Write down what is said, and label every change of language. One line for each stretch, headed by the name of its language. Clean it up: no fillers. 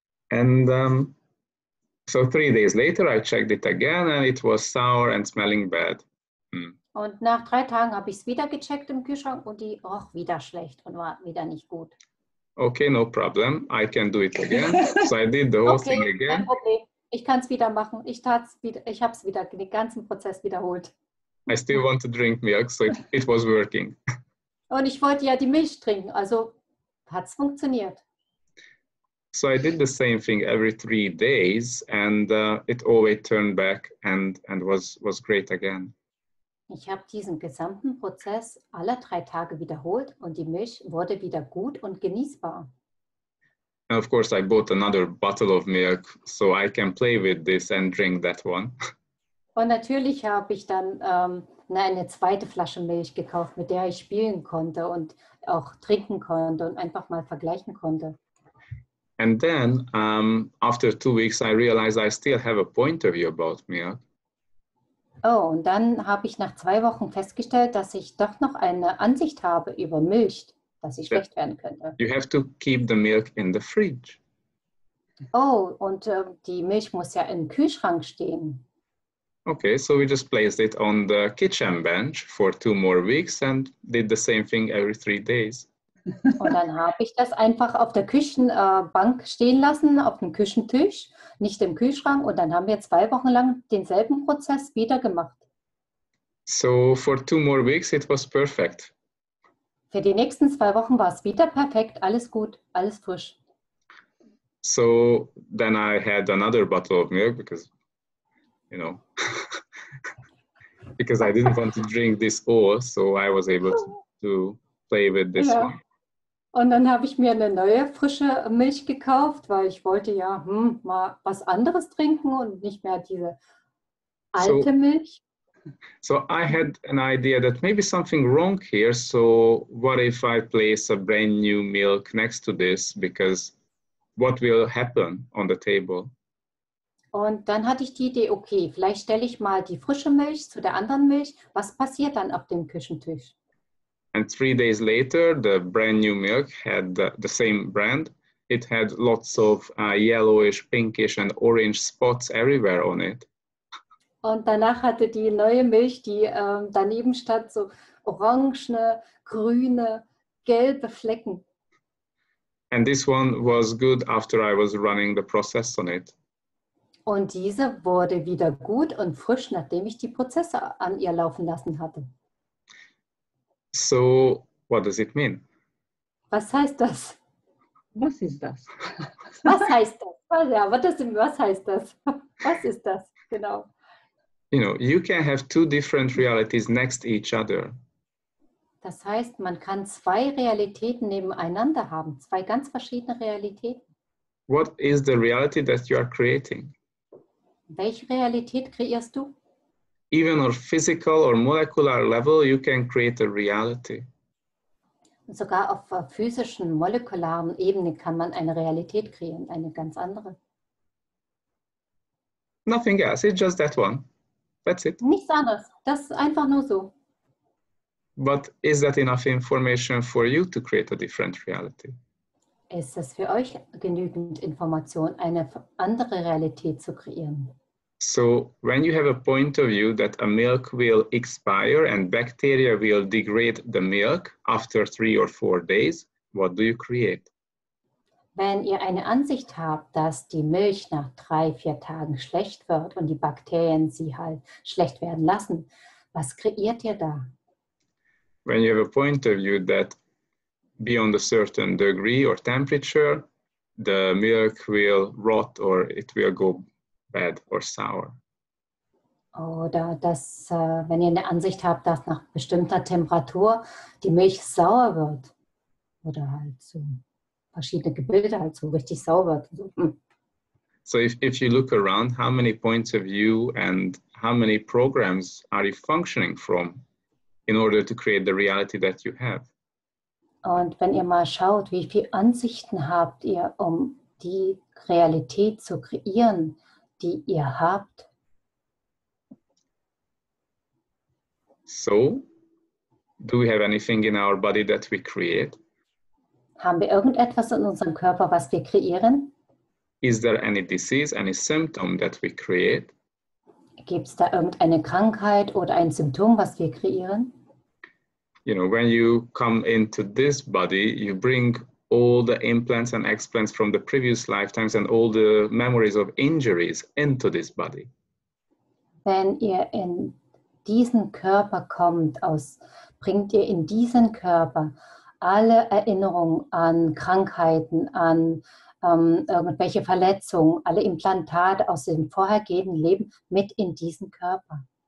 English: And so 3 days later I checked it again and it was sour and smelling bad.
German: Und nach 3 Tagen habe ich es wieder gecheckt im Kühlschrank und die roch wieder schlecht und war wieder nicht gut.
English: Okay, no problem. I can do it again. So I did the whole thing again.
German: Ich kann es wieder machen. Ich habe es wieder, den ganzen Prozess wiederholt.
English: I still want to drink milk, so it was working.
German: Und ich wollte ja die Milch trinken, also hat es funktioniert.
English: So I did the same thing every 3 days and it always turned back and was great again.
German: Ich habe diesen gesamten Prozess alle 3 Tage wiederholt und die Milch wurde wieder gut und genießbar.
English: And of course I bought another bottle of milk so I can play with this and drink that one.
German: Und natürlich habe ich dann eine zweite Flasche Milch gekauft, mit der ich spielen konnte und auch trinken konnte und einfach mal vergleichen konnte.
English: And then after 2 weeks I realized I still have a point of view about milk.
German: Oh, und dann habe ich nach 2 Wochen festgestellt, dass ich doch noch eine Ansicht habe über Milch, dass sie schlecht werden könnte.
English: You have to keep the milk in the fridge.
German: Oh, und die Milch muss ja im Kühlschrank stehen.
English: Okay, so we just placed it on the kitchen bench for 2 more weeks and did the same thing every 3 days.
German: Und dann habe ich das einfach auf der Küchenbank stehen lassen, auf dem Küchentisch, nicht im Kühlschrank. Und dann haben wir 2 Wochen lang denselben Prozess wieder gemacht.
English: So for 2 more weeks it was perfect.
German: Für die nächsten 2 Wochen war es wieder perfekt, alles gut, alles frisch.
English: So then I had another bottle of milk because, you know, because I didn't want to drink this all, so I was able to play with this one.
German: Und dann habe ich mir eine neue frische Milch gekauft, weil ich wollte ja mal was anderes trinken und nicht mehr diese alte Milch.
English: So I had an idea that maybe something wrong here, so what if I place a brand new milk next to this, because what will happen on the table?
German: Und dann hatte ich die Idee, okay, vielleicht stelle ich mal die frische Milch zu der anderen Milch, was passiert dann auf dem Küchentisch?
English: And 3 days later, the brand new milk had the same brand. It had lots of yellowish, pinkish and orange spots everywhere on it.
German: Und danach hatte die neue Milch, die daneben stand, so orange, grüne, gelbe Flecken.
English: And this one was good after I was running the process on it.
German: Und diese wurde wieder gut und frisch, nachdem ich die Prozesse an ihr laufen lassen hatte.
English: So, what does it mean?
German: Was heißt das? Was ist das? Was heißt das? Ja, was heißt das? Was ist das? Genau.
English: You know, you can have 2 different realities next to each other.
German: Das heißt, man kann 2 Realitäten nebeneinander haben, 2 ganz verschiedene Realitäten.
English: What is the reality that you are creating?
German: Welche Realität kreierst du?
English: Even on a physical or molecular level, you can create a reality.
German: Sogar auf physischen, molekularen Ebene kann man eine Realität kreieren, eine ganz andere.
English: Nothing else, it's just that one. That's it.
German: Nichts anderes, das ist einfach nur so.
English: But is that enough information for you to create a different reality?
German: Ist das für euch genügend Information, eine andere Realität zu kreieren?
English: So when you have a point of view that a milk will expire and bacteria will degrade the milk after 3 or 4 days, what do you create?
German: Wenn ihr eine Ansicht habt, dass die Milch nach 3, 4 Tagen schlecht wird und die Bakterien sie halt schlecht werden lassen, was kreiert ihr da?
English: When you have a point of view that beyond a certain degree or temperature, the milk will rot or it will go bad or sour.
German: Oder dass, wenn ihr eine Ansicht habt, dass nach bestimmter Temperatur die Milch sauer wird. Oder halt so verschiedene Gebilde halt so richtig sauer wird.
English: So, so if you look around, how many points of view and how many programs are you functioning from in order to create the reality that you have?
German: Und wenn ihr mal schaut, wie viele Ansichten habt ihr, um die Realität zu kreieren, die ihr habt.
English: So, do we have anything in our body that we create?
German: Haben wir irgendetwas in unserem Körper, was wir kreieren?
English: Is there any disease, any symptom that we create?
German: Gibt es da irgendeine Krankheit oder ein Symptom, was wir kreieren?
English: You know, when you come into this body, you bring all the implants and explants from the previous lifetimes and all the memories of injuries into this body.
German: Wenn ihr in diesen Körper kommt, aus, bringt ihr in diesen Körper alle Erinnerungen an Krankheiten, an irgendwelche Verletzungen, alle Implantate aus dem vorhergehenden Leben mit in diesen Körper.